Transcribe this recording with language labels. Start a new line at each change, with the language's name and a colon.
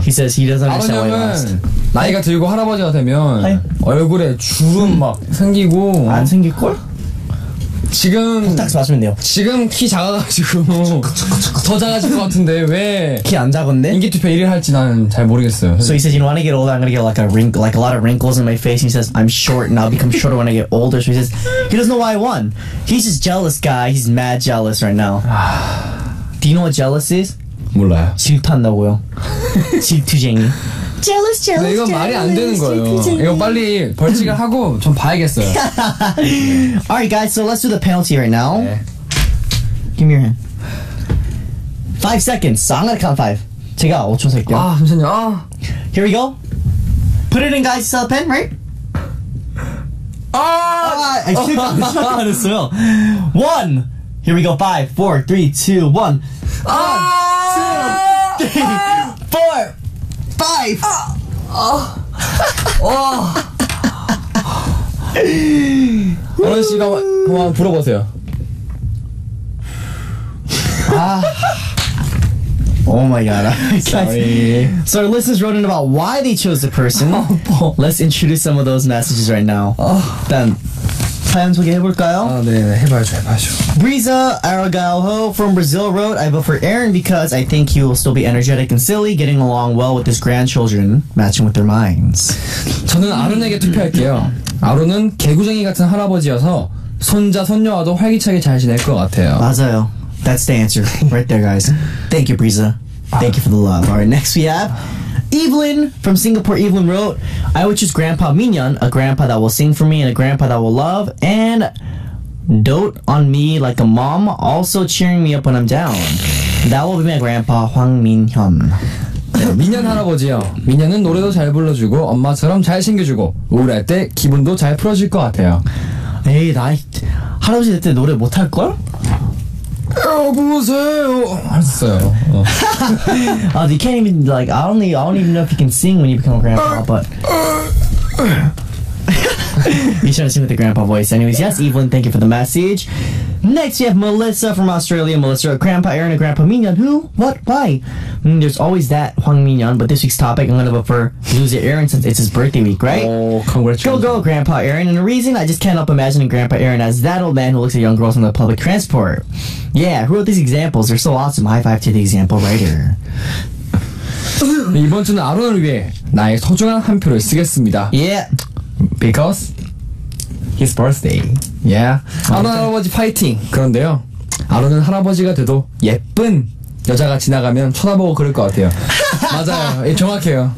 English: he says he doesn't understand why.
Korean: 나이가 들고 할아버지가 되면 얼굴에 주름 막 생기고 안 생길 걸? 지금 딱 맞으면 돼요. 지금 키 작아가지고 더 작아질 것 같은데 왜 키 안 작은데? 인기투표 1위를 할지 나는 잘 모르겠어요.
English: So he says, you know, when I get older, I'm gonna get like a wrinkle, like a lot of wrinkles in my face. And he says, I'm short and I'll become shorter when I get older. So he says, he doesn't know why I won. He's just jealous, guy. He's mad jealous right now. Do you know what jealous is?
Korean: 몰라요. 질투한다고요. 질투쟁이.
English: Jealous, jealous,
Korean: 이거 jealous, 말이 안 되는 거예요. Jealous, 이거 빨리 벌칙을 하고 좀 봐야겠어요.
English: Alright, guys, so let's do the penalty right now.
Korean: 네.
English: Give me your hand. 5 seconds. So I'm gonna count 5.
Korean: 제가 5초 살게요. 아, 잠시만요. 아.
English: Here we go. Put it in, guys. Sell the pen, right?
Korean: 아! 아, 실패 안 했어요. 1.
English: Here we go. 5, 4, 3, 2, 1. 1,
Korean: 아!
English: 2, 3, 4. 5!
Korean: 어른 씨가 한번 불어보세요. 아.
English: Oh my god. Sorry. So our listeners wrote in about why they chose the person. Let's introduce some of those messages right now.
Korean: 일단 사연 소개해볼까요? 아, 네, 해봐야죠.
English: Brisa Aragalho from Brazil wrote, I vote for Aaron because I think he will still be energetic and silly, getting along well with his grandchildren, matching with their minds.
Korean: 저는 아론에게 투표할게요. 아론은 개구쟁이 같은 할아버지여서 손자, 손녀와도 활기차게 잘 지낼 것 같아요. 맞아요.
English: That's the answer right there, guys. Thank you, Brisa. Thank you for the love. All right, next we have... Evelyn from Singapore. Evelyn wrote, I would choose Grandpa Minyeon, a grandpa that will sing for me and a grandpa that will love and dote on me like a mom, also cheering me up when I'm down. That will be my grandpa, Hwang Minhyun.
Korean: 민현 할아버지요. 민현은 노래도 잘 불러주고 엄마처럼 잘 챙겨주고 우울할 때 기분도 잘 풀어줄 것 같아요. 에이, 나 할아버지 될 때 노래 못 할걸? 여보세요. 했어요. 아,
English: you can't even like I don't even know if you can sing when you become a grandpa, but you should sing with the grandpa voice. Anyways, yes, Evelyn, thank you for the message. Next, we have Melissa from Australia. Melissa, a grandpa Aaron, a grandpa Minyeon. Who? What? Why? There's always that Hwang Minyeon, but this week's topic, I'm going to vote for loser Aaron since it's his birthday week, right? Oh, congratulations. Go, go, grandpa Aaron. And the reason, I just can't help imagining grandpa Aaron as that old man who looks at young girls on the public transport. Yeah, who wrote these examples? They're so awesome. High five to the example writer.
Korean: 이번 주는 아론을 위해 나의 소중한 한 표를 쓰겠습니다.
English: Yeah. Because... His birthday. Yeah.
Korean: 아론 할아버지 파이팅! 그런데요. 아론은 할아버지가 돼도 예쁜 여자가 지나가면 쳐다보고 그럴 것 같아요. 맞아요. 정확해요.